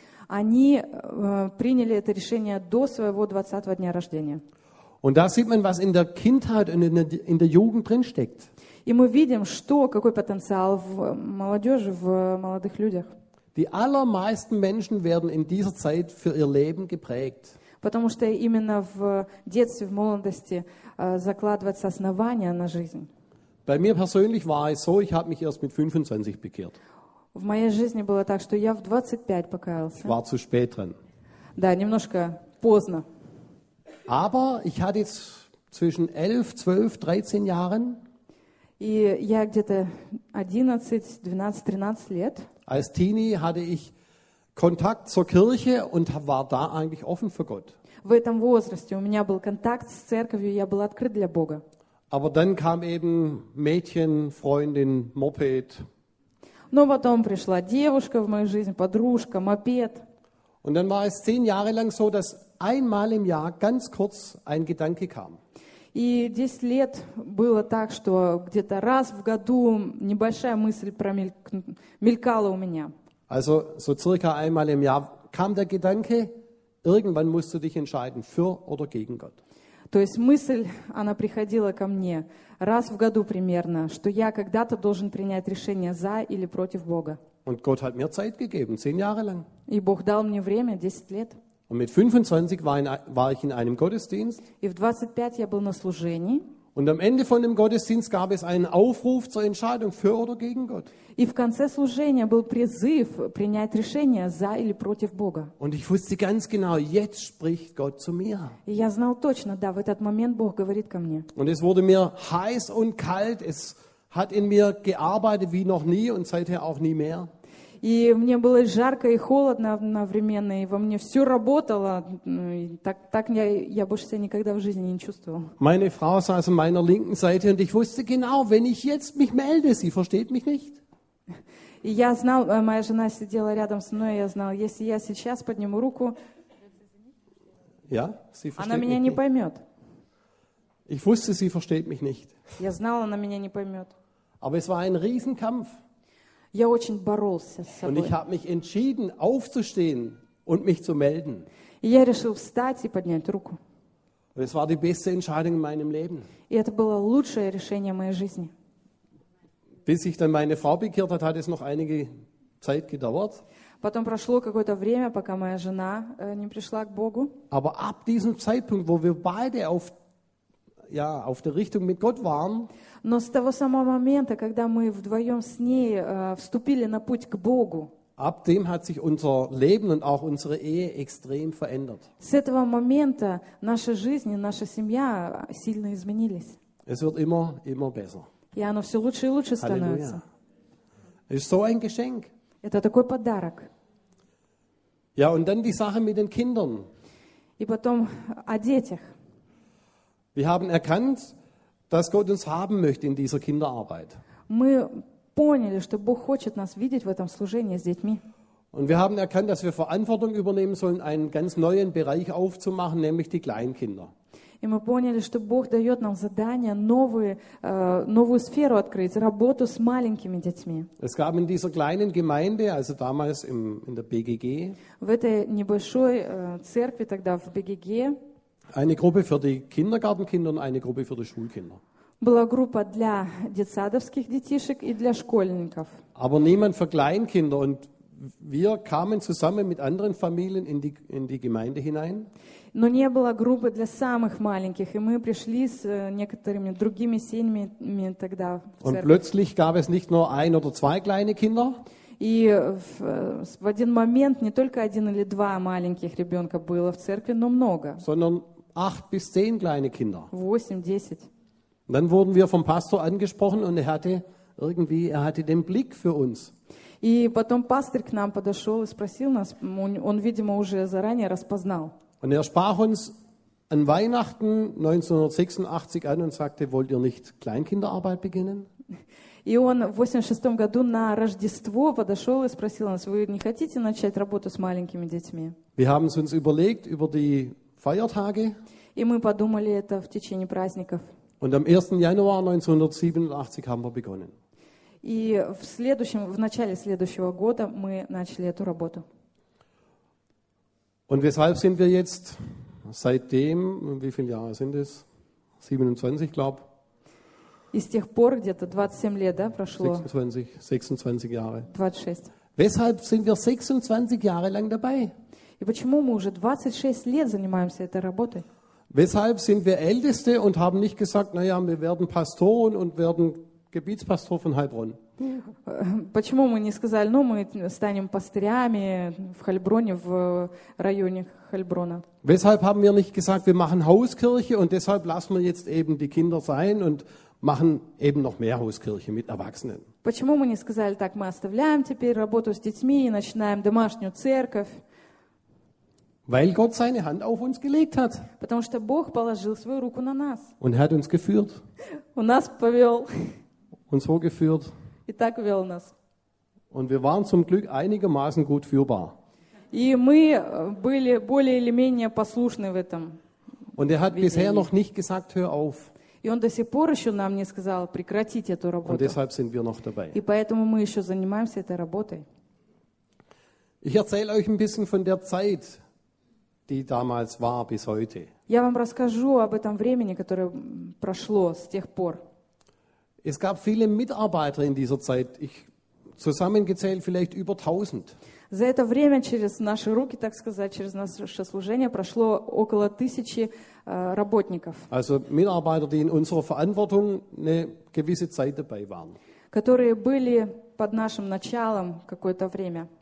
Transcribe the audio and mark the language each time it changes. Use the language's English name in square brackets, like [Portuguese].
[Russian] Они приняли это решение до своего 20-го дня рождения. [German] Und da sieht man, was in der Kindheit und in der Jugend drinsteckt. [Russian] И мы видим, что, какой потенциал в молодежи, в молодых людях. [German] Die allermeisten Menschen werden in dieser Zeit für ihr Leben geprägt. [Russian] Потому что именно в детстве, в молодости закладывается основание на жизнь. [German] Bei mir persönlich war es so, ich habe mich erst mit 25 bekehrt. [Russian] В моей жизни было так, что я в 25 покаялся. [German] Ich war zu spät drin. [Russian] Да, немножко поздно. [German] Aber ich hatte jetzt zwischen 11, 12, 13 Jahren. [Russian] И я где-то 11, 12, 13 лет. [German] Als Teenie hatte ich Kontakt zur Kirche und war da eigentlich offen für Gott. [Russian] В этом возрасте у меня был контакт с церковью, я был открыт для Бога. [German] Aber dann kam eben Mädchen, Freundin, Moped. [Russian] Но потом пришла девушка в мою жизнь, подружка, мопед. [German] Und dann war es 10 Jahre lang so, dass einmal im Jahr ganz kurz ein Gedanke kam. [Russian] И 10 лет было так, что где-то раз в году небольшая мысль мелькала у меня. [German] Also so circa einmal im Jahr kam der Gedanke, irgendwann musst du dich entscheiden, für oder gegen Gott. [Russian] То есть мысль, она приходила ко мне раз в году примерно, что я когда-то должен принять решение за или против Бога. [German] Und Gott hat mir Zeit gegeben, 10 Jahre lang. [Russian] И Бог дал мне время, 10 лет. [German] Und mit 25 war ich in einem Gottesdienst. [Russian] И в 25 я был на служении. [German] Und am Ende von dem Gottesdienst gab es einen Aufruf zur Entscheidung für oder gegen Gott. [Russian] И в конце служения был призыв принять решение за или против Бога. [German] Und ich wusste ganz genau, jetzt spricht Gott zu mir. [Russian] И я знал точно, да, в этот момент Бог говорит ко мне. [German] Und es wurde mir heiß und kalt. Es hat in mir gearbeitet wie noch nie und seither auch nie mehr. [Russian] И мне было жарко и холодно одновременно, и во мне все работало. Так я больше себя никогда в жизни не чувствовал. [German] Meine Frau saß an meiner linken Seite und ich wusste genau, wenn ich jetzt mich melde, sie versteht mich nicht. [Russian] И я знал, моя жена сидела рядом со мной, и я знал, если я сейчас подниму руку, [German] ja, [Russian] она меня не поймет. [German] Ich wusste, sie versteht mich nicht. [Russian] Я знал, она меня не поймет. [German] Aber es war ein Riesenkampf. [Russian] Я очень боролся с собой. [German] Und ich habe mich entschieden, aufzustehen und mich zu melden. [Russian] И я решил встать и поднять руку. [German] Und es war die beste Entscheidung in meinem Leben. [Russian] И это было лучшее решение моей жизни. [German] Bis ich dann meine Frau bekehrt hat, hat es noch einige Zeit gedauert. [Russian] Потом прошло какое-то время, пока моя жена не пришла к Богу. [German] Aber ab diesem Zeitpunkt, wo wir beide auf der Richtung mit Gott waren, [Russian] но с того самого момента, когда мы вдвоем с ней вступили на путь к Богу, [German] ab dem hat sich unser Leben und auch unsere Ehe extrem verändert. [Russian] С этого момента наша жизнь и наша семья сильно изменились. [German] Es wird immer, immer besser. [Russian] И оно все лучше и лучше становится. [German] Halleluja. Ist so ein Geschenk. [Russian] Это такой подарок. [German] Ja, und dann die Sache mit den Kindern. [Russian] И потом о детях. [German] Wir haben erkannt, dass Gott uns haben möchte in dieser Kinderarbeit. [Russian] Мы поняли, что Бог хочет нас видеть в этом служении с детьми. [German] Und wir haben erkannt, dass wir Verantwortung übernehmen sollen, einen ganz neuen Bereich aufzumachen, nämlich die Kleinkinder. [Russian] И мы поняли, что Бог дает нам задание новую сферу открыть, работу с маленькими детьми. [German] Es gab in dieser kleinen Gemeinde, also damals in der BGG, [Russian] в этой небольшой церкви тогда, в BGG, [German] eine Gruppe für die Kindergartenkinder und eine Gruppe für die Schulkinder. [Russian] Была группа для детсадовских детишек и для школьников. [German] Aber niemand für Kleinkinder und wir kamen zusammen mit anderen Familien in die Gemeinde hinein. [Russian] Но не было группы для самых маленьких, и мы пришли с некоторыми другими семьями тогда. [German] Und plötzlich gab es nicht nur ein oder zwei kleine Kinder. [Russian] И в один момент не только один или два маленьких ребенка было в церкви, но много. [German] Sondern 8 bis 10 kleine Kinder. [Russian] 8-10. [German] Und dann wurden wir vom Pastor angesprochen und er hatte den Blick für uns. [Russian] И потом пастор к нам подошел и спросил нас, он видимо уже заранее распознал. [German] Und er sprach uns an Weihnachten 1986 an und sagte, wollt ihr nicht Kleinkinderarbeit beginnen? [Russian] И он в 86 году на Рождество подошел и спросил нас, вы не хотите начать работу с маленькими детьми? [German] Wir haben es uns überlegt über die Feiertage. [Russian] И мы подумали это в течение праздников. [German] Und am 1. Januar 1987 haben wir begonnen. [Russian] И в следующем, в начале следующего года мы начали эту работу. [German] Und weshalb sind wir jetzt seitdem, wie viele Jahre sind es? 27, glaube ich. [Russian] И с тех пор где-то 27 лет, да, прошло? [German] 26 Jahre. [Russian] 26. [German] Weshalb sind wir 26 Jahre lang dabei? [Russian] И почему мы уже 26 лет занимаемся этой работой? [German] Weshalb sind wir Älteste und haben nicht gesagt, naja, wir werden Pastoren und werden Gebietspastor von Heilbronn? [Russian] Почему мы не сказали, ну, мы станем пастырями в Хальброне, в районе Хальброна? [German] Weshalb haben wir nicht gesagt, wir machen Hauskirche und deshalb lassen wir jetzt eben die Kinder sein und machen eben noch mehr Hauskirche mit Erwachsenen. [Russian] Почему мы не сказали так, мы оставляем теперь работу с детьми и начинаем домашнюю церковь? [German] Weil Gott seine Hand auf uns gelegt hat. [Russian] Потому что Бог положил свою руку на нас. [German] Und hat uns geführt. Und [Russian] нас повел. [German] Und so geführt. [Russian] И так вел нас. [German] Und wir waren zum Glück einigermaßen gut führbar. [Russian] И мы были более или менее послушны в этом. [German] Und er hat bisher noch nicht gesagt, hör auf. [Russian] И он до сих пор еще нам не сказал прекратить эту работу. [German] Und deshalb sind wir noch dabei. [Russian] И поэтому мы еще занимаемся этой работой. [German] Ich erzähle euch ein bisschen von der Zeit, die damals war bis heute. [Russian] Я вам расскажу об этом времени, которое прошло с тех пор. [German] Es gab viele Mitarbeiter in dieser Zeit. Ich zusammengezählt vielleicht über 1000. [Russian] За это время через наши руки, так сказать, через наше служение прошло около 1000 работников. [German] Also Mitarbeiter, die in unserer Verantwortung eine gewisse Zeit dabei waren. [Russian] Которые были под нашим началом какое-то время.